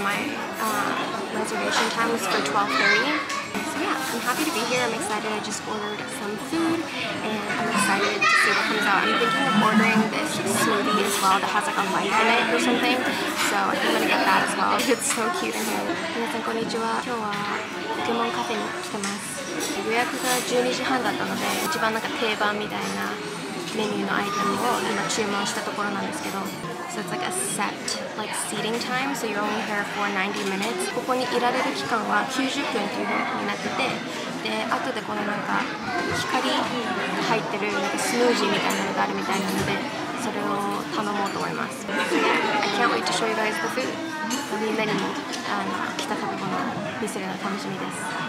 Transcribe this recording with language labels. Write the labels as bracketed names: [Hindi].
[English] My reservation time was for 12:30. So yeah, I'm happy to be here. I'm excited. I just ordered some food, and I'm excited to see what comes out. I'm thinking of ordering this smoothie as well that has like a light in it or something. So I think I'm gonna get that as well. It's so cute in here. [Japanese] 皆さんこんにちは。今日はポケモンカフェに来てます。予約が12時半だったので、一番なんか定番みたいな。メニューのアイテムを今注文したところなんですけど、 [English] So it's like a set like seating time, so you're only here for 90 minutes. [Japanese] ここにいられる期間は90分というふうになってて、で後でこのなんか光入ってるなんかスムージーみたいなのがあるみたいなので、それを頼もうと思います。 [English] I can't wait to show you guys the food. [Japanese] みんなにあの来た食べ物を見せるの楽しみです。